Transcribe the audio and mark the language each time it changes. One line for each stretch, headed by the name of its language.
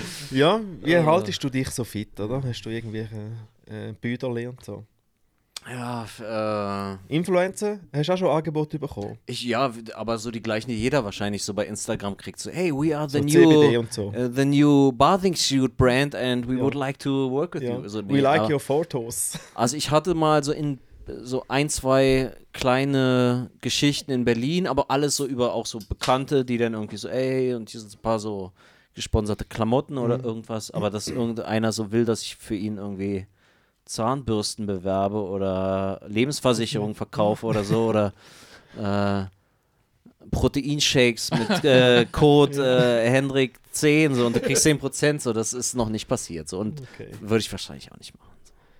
German: Ja, wie haltest du dich so fit, oder? Hast du irgendwie Büderli und so? Ja, Influencer? Hast du auch schon Angebote bekommen? Ja, aber so die gleichen, die jeder wahrscheinlich so bei Instagram kriegt.
English: So, hey, we are the so new
German: CBD und so.
English: The new bathing suit brand and we would like to work with you. So, we like your photos.
German: Also ich hatte mal so in so ein, zwei kleine Geschichten in Berlin, aber alles so über auch so Bekannte, die dann irgendwie so, ey, und hier sind ein paar so gesponserte Klamotten oder irgendwas, aber dass irgendeiner so will, dass ich für ihn irgendwie Zahnbürsten bewerbe oder Lebensversicherung verkaufe oder so oder Proteinshakes mit Code Hendrik 10 so, und du kriegst 10%, so, das ist noch nicht passiert so, und okay. Würde ich wahrscheinlich auch nicht machen. So.